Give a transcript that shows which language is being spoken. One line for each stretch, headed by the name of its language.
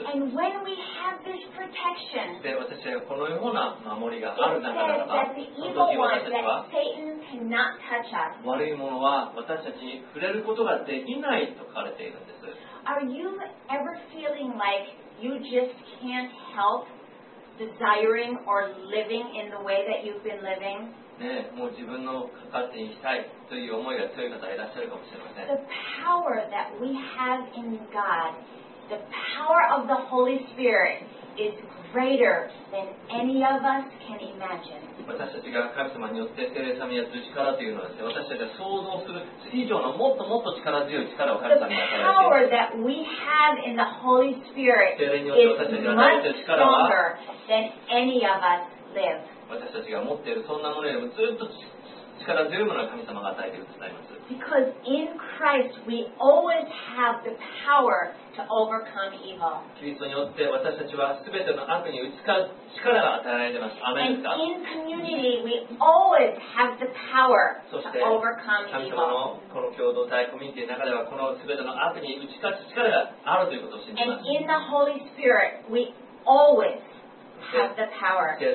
English: And when we have this protection,
Japanese: 私たちがこのような守りがある中ならば、その時私たちは、
English: Satan cannot touch us.
Japanese: 悪いものは私たちに触れることができないと書かれているんです。
English: Are you ever feeling like you just can't help desiring or living in the way that you've been living?
Japanese: ね、もう自分の形にしたいという思いが強い方がいらっしゃるかもしれません。
English: The power that we have in God, the power of the Holy Spirit is greater than any of us can imagine.
Japanese: 私たちが神様によって聖霊様によって力というのはですね、私たちが想像する以上のもっともっと力強い力を神様が与えています。
English: The power that we have in the Holy Spirit is much stronger than any of us live.
Japanese: 私たちが持っているそんなものよりもずっと力強いものを神様が与えているとなります。
English: Because in Christ we always have the power to overcome evil.
Japanese: キリストによって私たちは全ての悪に打ち勝つ力が与えられています。アメンですか?
English: And in community we always have the power to overcome evil.
Japanese: そして神様のこの共同体コミュニティの中ではこの全ての悪に打ち勝つ力があるということを信じます。
English: And in the Holy Spirit we always have the power